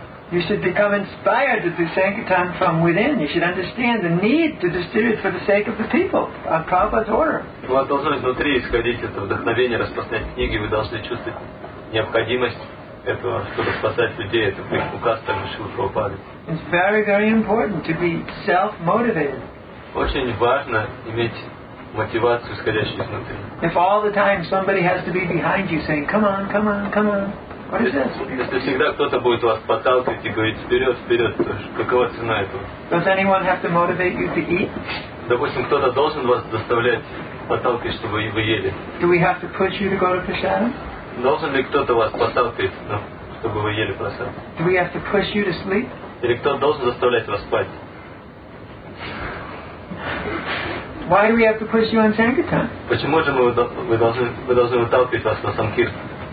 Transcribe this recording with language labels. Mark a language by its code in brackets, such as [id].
[en] You should become inspired to do Sankirtan from within. You should understand the need to distribute for the sake of the people, on Prabhupada's order. [ru] У вас должно изнутри исходить это вдохновение распространять книги. Вы должны чувствовать необходимость этого, чтобы спасать людей. Это указ Шрилы Прабхупады. [en] It's very, very important to be self-motivated. [ru] Очень важно иметь мотивацию, исходящую изнутри. [en] If all the time somebody has to be behind you saying, come on, what is this? [ru] Если всегда кто-то будет вас подталкивать и говорить вперед, какова цена этого? [en] Does anyone have to motivate you to eat? [ru] Допустим, кто-то должен вас заставлять подталкивать, чтобы вы ели. [en] Do we have to push you to go to prasadam? [ru] Должен ли кто-то вас подталкивать, чтобы вы ели прасад? [en] Do we have to push you to sleep? [ru] Или кто должен заставлять вас спать? [en] Why do we have to push you on Sankirtan? [ru] Почему же мы должны выталкивать вас на Sankirtan?